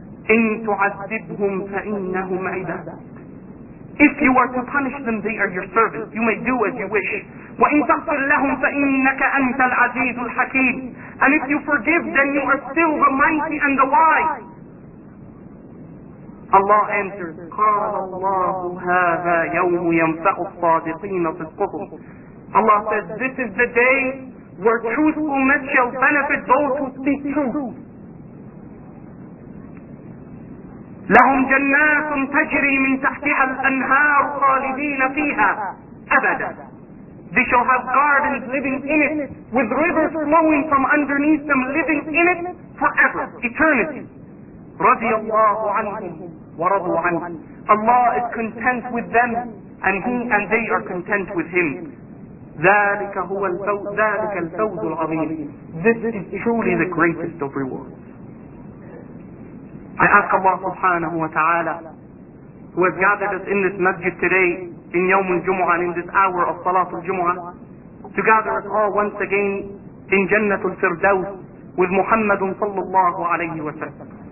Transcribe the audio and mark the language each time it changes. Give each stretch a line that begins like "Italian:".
Arabic: إِن تُعَذِّبْهُمْ فَإِنَّهُمْ عِبَادُكَ.
English: If you are to punish them, they are your servants. You may do as you wish.
Arabic: وَإِن تَغْفِرْ لَهُمْ فَإِنَّكَ أَنْتَ الْعَزِيزُ الْحَكِيمُ.
English: And if you forgive, then you are still the mighty and the wise. Allah answers,
Arabic: قال الله هذا يوم ينفع الصادقين صدقهم.
English: Allah says, this is the day where truthfulness shall benefit those who speak truth.
Arabic: لهم جنات تجري من تحتها الأنهار خالدين فيها أبدا.
English: They shall have gardens living in it, with rivers flowing from underneath them, living in it forever, eternity.
Arabic: رضي الله عنهم ورضوا عنه.
English: Allah is content with them, and He and they are content with Him.
Arabic: ذلك هو الفوز ذلك الفوز العظيم.
English: This is truly the greatest of rewards. I ask Allah subhanahu wa ta'ala, who has gathered us in this masjid today, in Yawm al-Jumu'ah, in this hour of Salatul Jumu'ah, to gather us all once again in Jannatul Firdaus with Muhammadun sallallahu alayhi wa sallam.